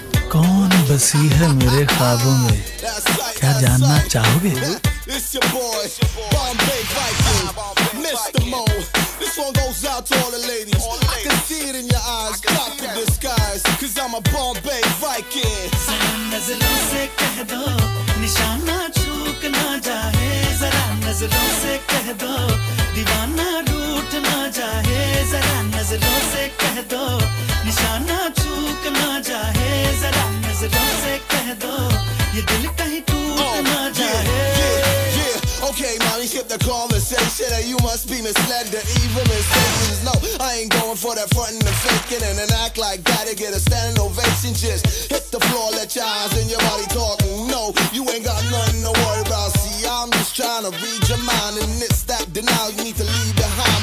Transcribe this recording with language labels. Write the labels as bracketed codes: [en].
[hi] कौन बसी है मेरे ख्वाबों में? क्या जानना चाहोगे? [en] It's your boy, Bombay Viking, Mr. Mo. This one goes out to all the ladies. I can see it in your eyes, drop the disguise, 'cause I'm a Bombay Viking. [hi] नज़रों से कह दो, निशाना चूक ना जाए, जरा नज़रों से कह दो, दीवाना रूठ ना जाए, जरा नज़रों से कह दो, निशाना चूक ना जाए, जरा नज़रों से कह दो, ये दिल कहीं टूट ना जाए. [en] Okay, mommy, skip the conversation. And you must be misled to even mistakes. No, I ain't going for that front and the faking and an act like that and get a standing ovation. Just hit the floor, let your eyes and your body talk. No, you ain't got nothing to worry about. See, I'm just trying to read your mind, and it's that denial you need to leave behind.